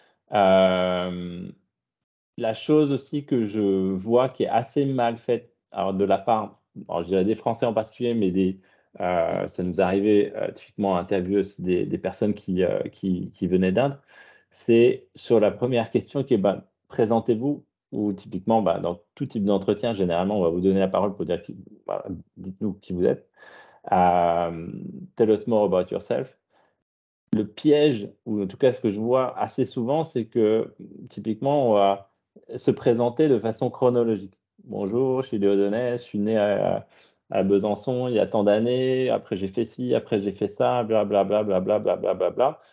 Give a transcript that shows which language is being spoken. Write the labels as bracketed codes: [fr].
[fr] La chose aussi que je vois qui est assez mal faite, alors de la part, alors je dirais des Français en particulier, mais ça nous arrivait typiquement à interviewer des personnes qui venaient d'Inde, c'est sur la première question qui est bah, présentez-vous, ou typiquement bah, dans tout type d'entretien, généralement, on va vous donner la parole pour dire bah, dites-nous qui vous êtes. [en] Tell us more about yourself. [fr] Le piège, ou en tout cas ce que je vois assez souvent, c'est que typiquement, on va se présenter de façon chronologique. Bonjour, je suis Léonais, je suis né à Besançon il y a tant d'années, après j'ai fait ci, après j'ai fait ça, blablabla, blablabla, blablabla.